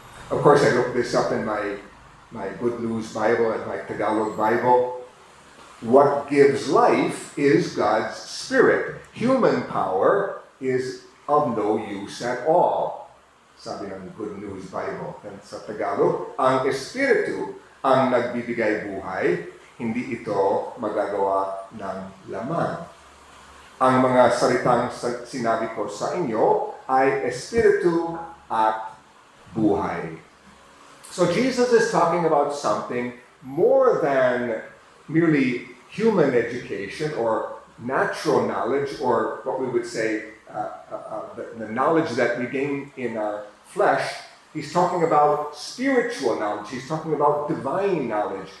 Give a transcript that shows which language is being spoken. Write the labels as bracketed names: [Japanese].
[English] Of course, I looked this up in my Good News Bible and my Tagalog Bible. What gives life is God's Spirit. Human power is of no use at all. [Filipino] Sabi ng Good News Bible. And sa Tagalog, ang Espiritu ang nagbibigay buhay, hindi ito magagawa ng laman. Ang mga salitang sinabi ko sa inyo ay Espiritu at buhay. [English] So Jesus is talking about something more than merely human education or natural knowledge, or what we would say the knowledge that we gain in our flesh. He's talking about spiritual knowledge. He's talking about divine knowledge.